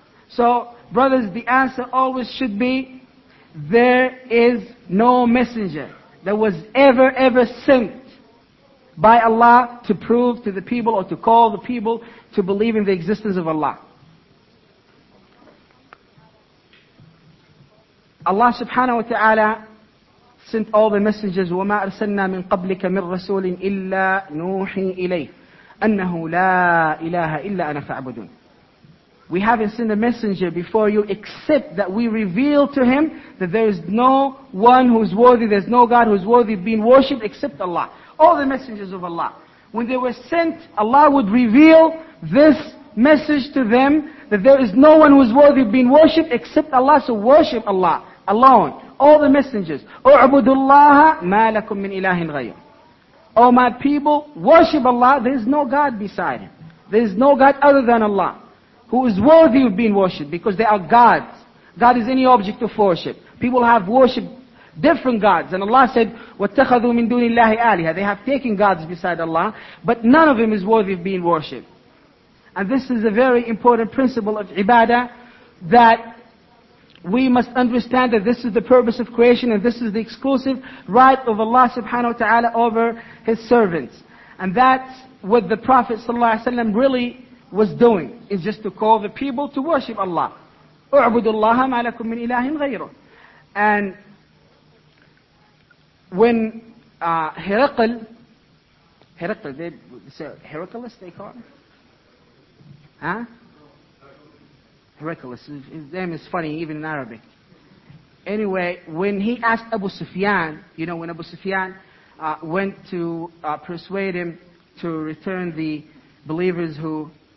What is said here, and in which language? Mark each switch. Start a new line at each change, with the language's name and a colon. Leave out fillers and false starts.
English: So, brothers, the answer always should be, there is no messenger that was ever sent by Allah to prove to the people or to call the people to believe in the existence of Allah. Allah subhanahu wa ta'ala sent all the messengers,
Arabic: وَمَا أَرْسَلْنَا مِنْ قَبْلِكَ مِنْ رَسُولٍ إِلَّا نُوحِي إِلَيْهِ أَنَّهُ لَا إِلَهَ إِلَّا أَنَا فَعْبُدُونَ.
English: We haven't sent a messenger before you except that we reveal to him that there is no one who's worthy, there's no God who's worthy of being worshipped except Allah. All the messengers of Allah. When they were sent, Allah would reveal this message to them that there is no one who is worthy of being worshipped except Allah. So worship Allah alone. All the messengers.
Arabic: اُعْبُدُ اللَّهَ مَا لَكُم مِّنْ إِلَهٍ غَيْرٍ.
English: O my people, worship Allah. There is no God beside Him. There is no God other than Allah who is worthy of being worshipped, because they are gods. God is any object of worship. People have worshipped different gods. And Allah said,
Arabic: وَاتَّخَذُوا مِن دُونِ اللَّهِ آلِهَةً.
English: They have taken gods beside Allah, but none of them is worthy of being worshipped. And this is a very important principle of ibadah, that we must understand that this is the purpose of creation and this is the exclusive right of Allah subhanahu wa ta'ala over His servants. And that's what the Prophet sallallahu alaihi wasallam really was doing, is just to call the people to worship Allah.
Arabic: اُعْبُدُ اللَّهَ مَا لَكُم مِّنْ إِلَهٍ غَيْرُهُ.
English: And when Heracles, Heracles, they call him? Huh? Heracles, his name is funny, even in Arabic. Anyway, when he asked Abu Sufyan, you know, when Abu Sufyan went to persuade him to return the believers who...